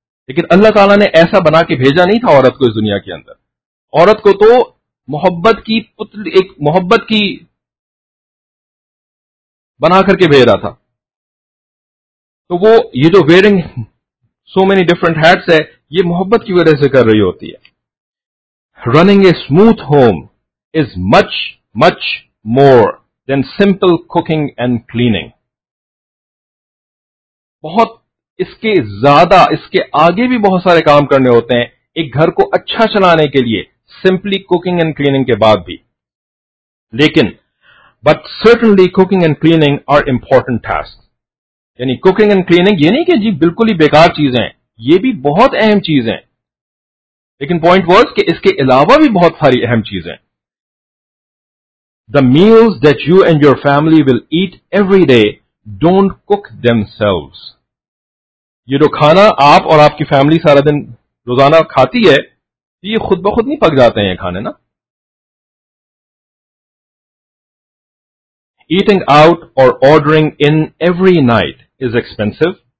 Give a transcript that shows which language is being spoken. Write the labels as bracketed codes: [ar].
[ur] لیکن اللہ تعالیٰ نے ایسا بنا کے بھیجا نہیں تھا عورت کو اس دنیا کے اندر. عورت کو تو محبت کی پتلی, ایک محبت کی بنا کر کے بھیجا تھا. تو وہ یہ جو [en] wearing so many different hats [ur] ہے, یہ محبت کی وجہ سے کر رہی ہوتی ہے. [en] Running a smooth home is much much more than simple cooking and cleaning. [ur] بہت اس کے زیادہ, اس کے آگے بھی بہت سارے کام کرنے ہوتے ہیں ایک گھر کو اچھا چلانے کے لیے, [en] simply cooking and cleaning [ur] کے بعد بھی. لیکن [en] But certainly cooking and cleaning are important tasks. [ur] یعنی [en] cooking and cleaning [ur] یہ نہیں کہ جی بالکل ہی بیکار چیزیں, یہ بھی بہت اہم چیزیں, لیکن [en] point was [ur] کہ اس کے علاوہ بھی بہت ساری اہم چیزیں. [en] The meals that you and your family will eat every day don't cook themselves. [ur] یہ جو کھانا آپ اور آپ کی فیملی سارا دن روزانہ کھاتی ہے, یہ خود بخود نہیں پک جاتے ہیں یہ کھانے نا. [en] Eating out اور ordering in every night is expensive.